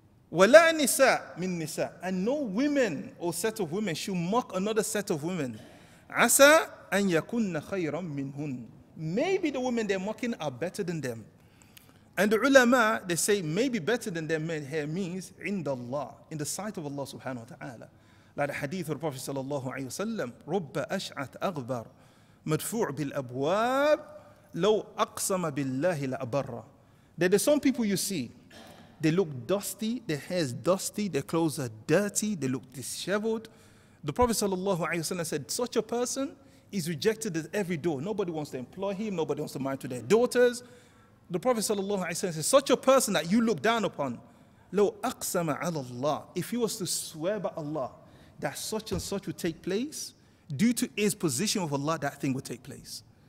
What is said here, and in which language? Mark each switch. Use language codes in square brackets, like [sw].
[ar] Wala nisa min nisa. [en] And no women or set of women should mock another set of women. [ar] Asa an yakunna khayran minhun. [en] Maybe the women they're mocking are better than them. And the ulama, they say maybe better than them men here means indallah, in the sight of Allah subhanahu wa ta'ala. Like the hadith of the Prophet sallallahu alayhi wa sallam, [ar] Rubba ash'at aghbar. مدفوع بالأبواب لو أقسم بالله لأبرا. [en] There are some people you see, they look dusty, their hair is dusty, their clothes are dirty, they look disheveled. The Prophet sallallahu alaihi wasallam said, such a person is rejected at every door. Nobody wants to employ him, nobody wants to marry to their daughters. The Prophet sallallahu alaihi wasallam said, such a person that you look down upon, [ar] لو أقسم على الله, [en] if he was to swear by Allah that such and such would take place, due to his position with Allah, that thing will take place.